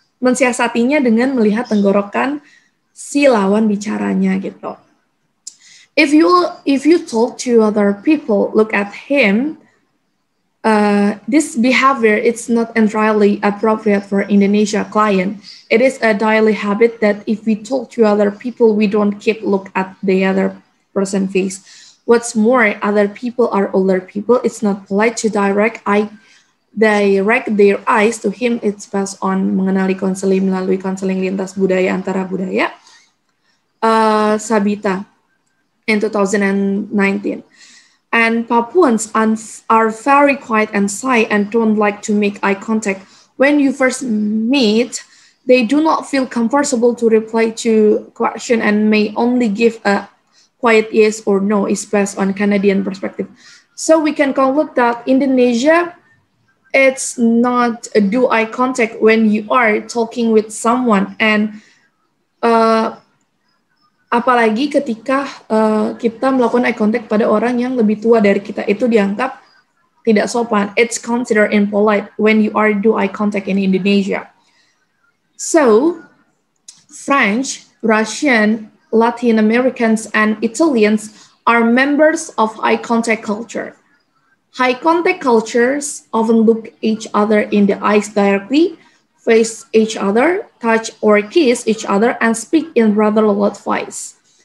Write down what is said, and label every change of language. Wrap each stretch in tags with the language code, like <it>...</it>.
<id>mensiasatinya dengan melihat tenggorokan si lawan bicaranya gitu.</id> <en>If you talk to other people, look at him, this behavior it's not entirely appropriate for Indonesia client. It is a daily habit that if we talk to other people, we don't keep look at the other person face. What's more, other people are older people. It's not polite to direct their eyes to him. It's based on</en> <id>mengenali konseling melalui konseling lintas budaya antara budaya.</id> <en>Sabita in 2019. And Papuans are very quiet and shy and don't like to make eye contact. When you first meet, they do not feel comfortable to reply to question and may only give a quiet yes or no, is based on Canadian perspective. So we can conclude that Indonesia, it's not a do eye contact when you are talking with someone.</en> <id>And apalagi ketika kita melakukan eye contact pada orang yang lebih tua dari kita, itu dianggap tidak sopan.</id> <en>It's considered impolite when you are do eye contact in Indonesia. So French, Russian, Latin Americans and Italians are members of eye contact culture. High contact cultures often look each other in the eyes directly, face each other, touch or kiss each other, and speak in rather loud voice.</en>